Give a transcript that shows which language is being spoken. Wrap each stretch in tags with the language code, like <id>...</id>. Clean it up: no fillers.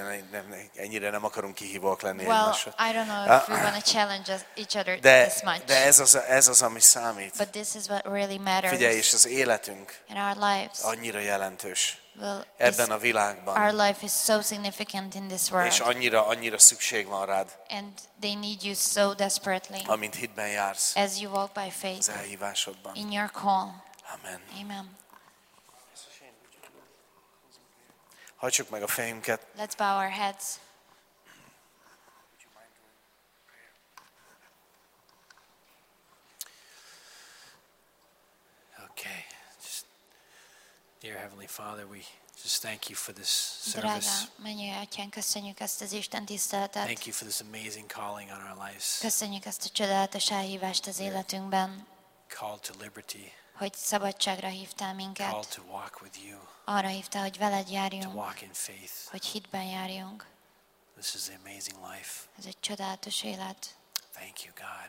<hu>Nem, ennyire nem akarunk kihívók lenni egymásra.</hu> <en>Well, I don't know if we want to challenge each other this much.</en> <hu>De ez az, ami számít.</hu> <en>But this is what really matters.</en> <hu>Figyelj, és az életünk</hu> <en>in our lives.</en> <hu>Annyira jelentős.</hu> <en>Well,</en> <hu>ebben a világban.</hu> <en>Our life is so significant in this world.</en> <hu>És annyira szükség van rád.</hu> <en>And they need you so desperately.</en> <hu>Amint hitben jársz.</hu> <en>As you walk by faith.</en> <hu>Az elhívásodban.</hu> <en>In your call.</en> <hu>Amen.</hu> <en>Amen.</en> <hu>Hajtsuk meg a fejünket.</hu> <en>Let's bow our heads. Okay. Just, dear Heavenly Father, we just thank you for this service.</en> <hu>Drága mennyi atyánk, köszönjük ezt az Isten tiszteletet.</hu> <en>Thank you for this amazing calling on our lives.</en> <hu>Köszönjük ezt a csodálatos elhívást az életünkben.</hu> <en>Called to liberty.</en> <hu>Hogy szabadságra hívtál minket.</hu> <en>Called to walk with you.</en> <hu>Arra hívtál, hogy veled járjunk.</hu> <en>To walk in faith.</en> <hu>Hogy hitben járjunk.</hu> <en>This is an amazing life.</en> <hu>Ez egy csodálatos élet.</hu> <en>Thank you, God.</en>